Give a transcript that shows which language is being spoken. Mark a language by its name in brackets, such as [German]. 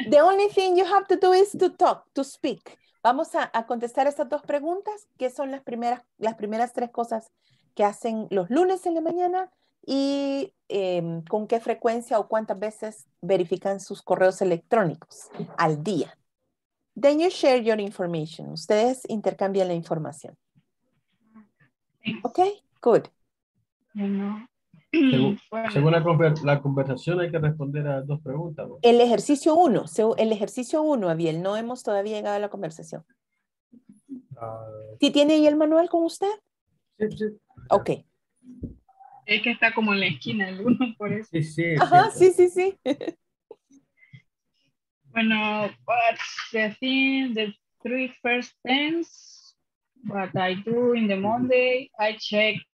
[English] The only thing you have to do is to talk, to speak. [Spanish] Vamos a contestar estas dos preguntas, que son las primeras tres cosas que hacen los lunes en la mañana y con qué frecuencia o cuántas veces verifican sus correos electrónicos al día. [English] Then you share your information. [Spanish] Ustedes intercambian la información. [English] Okay, good. [Spanish] Según la conversación hay que responder a dos preguntas. El ejercicio uno, Abiel, no hemos todavía llegado a la conversación. ¿Sí tiene ahí el manual con usted? Sí, sí. Okay. Es que está como en la esquina el uno, por eso. Sí, sí. Ajá, sí, sí, sí. Bueno, [English] what's the thing, the three first things? What I do in the Monday, I check.